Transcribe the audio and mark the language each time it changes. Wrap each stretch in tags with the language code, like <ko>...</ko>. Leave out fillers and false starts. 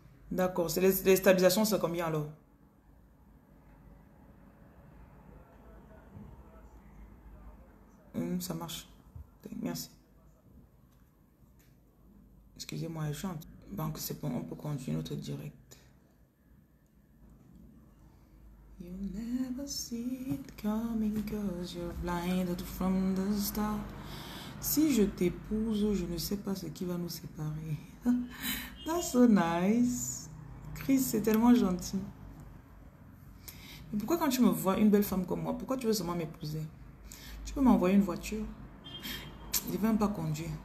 <fr>D'accord, c'est les stabilisations, c'est combien alors? Ça marche. Merci. Excusez-moi, je chante. Donc, c'est bon, on peut continuer notre direct.</fr> <en>You'll never see it coming cause you're blinded from the start.</en> <fr>Si je t'épouse, je ne sais pas ce qui va nous séparer.</fr> <en>That's so nice.</en> <fr>Chris, c'est tellement gentil. Mais pourquoi quand tu me vois une belle femme comme moi, pourquoi tu veux seulement m'épouser? Tu peux m'envoyer une voiture? Je ne vais même pas conduire.</fr>